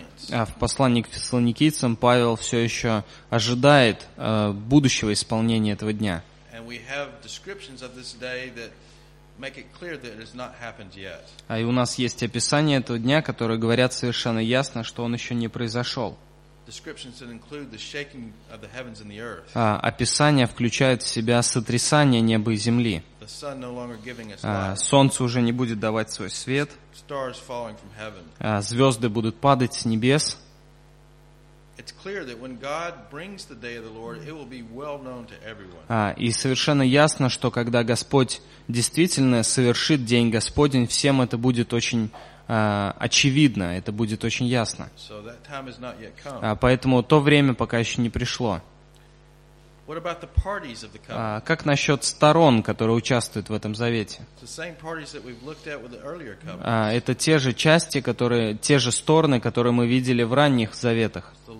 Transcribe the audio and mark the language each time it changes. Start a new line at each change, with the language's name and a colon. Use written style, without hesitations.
Russian: В послании к Фессалоникийцам Павел все еще ожидает будущего исполнения этого дня.
English: And we have descriptions of this day that make it clear that it has not happened yet.
Russian: А и у нас есть описания этого дня, которые говорят совершенно ясно, что он еще не произошел.
English: Descriptions that include the shaking of the heavens and the earth.
Russian: А описания включают в себя сотрясание неба и земли.
English: The sun no longer giving its light.
Russian: Солнце уже не будет давать свой свет.
English: Stars falling from heaven.
Russian: Звезды будут падать с небес.
English: It's clear that when God brings the day of the Lord, it will be well known to everyone.
Russian: И совершенно ясно, что когда Господь действительно совершит день Господень, всем это будет очень очевидно, это будет очень ясно.
English: So that time has not yet come.
Russian: Поэтому то время пока еще не пришло.
English: What about the parties of the covenant?
Russian: Как насчет сторон, которые участвуют в этом завете?
English: It's the same parties that we've looked at with the earlier covenants.
Russian: Это те же части, которые, те же стороны, которые мы видели в ранних заветах.